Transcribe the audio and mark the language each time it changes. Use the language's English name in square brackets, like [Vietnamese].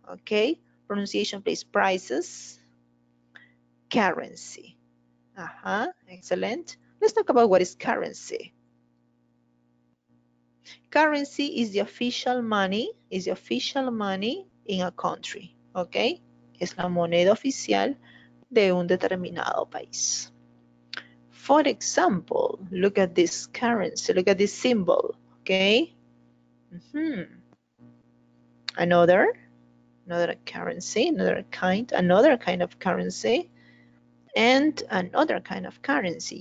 [English] Okay, pronunciation please. Prices, currency. Excellent. Let's talk about what is currency. Currency is the official money, is the official money in a country, okay? [Spanish] Es la moneda oficial de un determinado país. [English] For example, look at this currency, look at this symbol, okay? Another currency, another kind of currency, and another kind of currency.